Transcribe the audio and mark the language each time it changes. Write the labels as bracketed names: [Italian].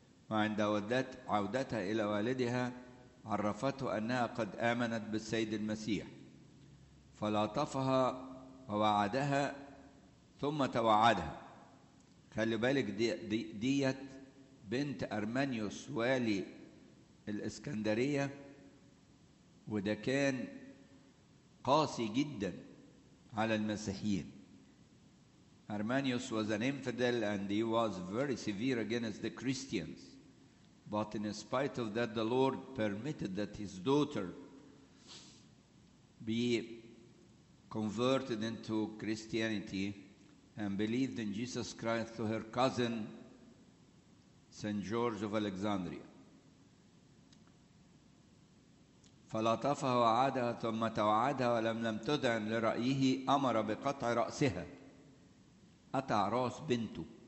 [Arabic] وعند عودتها إلى والدها عرفته أنها قد آمنت بالسيد المسيح، فلاطفها ووعدها ثم توعدها. خلي بالك ديت بنت أرمانيوس والي الإسكندرية، وده كان قاسي جدا على المسيحيين. [English] أرمانيوس was an infidel and he was very severe against the Christians. But in spite of that, the Lord permitted that his daughter be converted into Christianity and believed in Jesus Christ through her cousin, St. George of Alexandria. [Arabic] فلطفها وعادها ثم توعدها ولم تدعن لرأيه أمر بقطع رأسها. قطع رأس بنته.